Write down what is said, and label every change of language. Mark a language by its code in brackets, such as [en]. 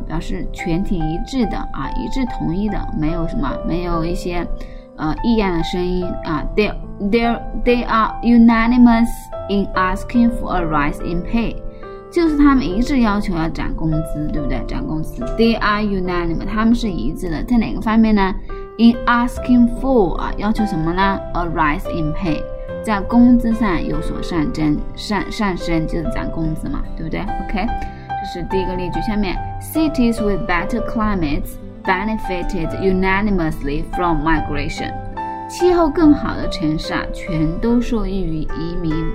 [zh] 表示全体一致的啊，一致同意的，没有什么，没有一些异样的声音啊。 [en] They are unanimous in asking for a rise in pay， [zh] 就是他们一致要求要涨工资，对不对？涨工资。 [en] They are unanimous， [zh] 他们是一致的，在哪个方面呢 ？ [en] In asking for [zh] 啊，要求什么呢 ？ [en] A rise in pay， [zh] 在工资上有所上升，上升就是涨工资嘛，对不对 ？OK。是第一个例句。下面 [en] cities with better climates benefited unanimously from migration， [zh] 气候更好的城市啊，全都受益于移民。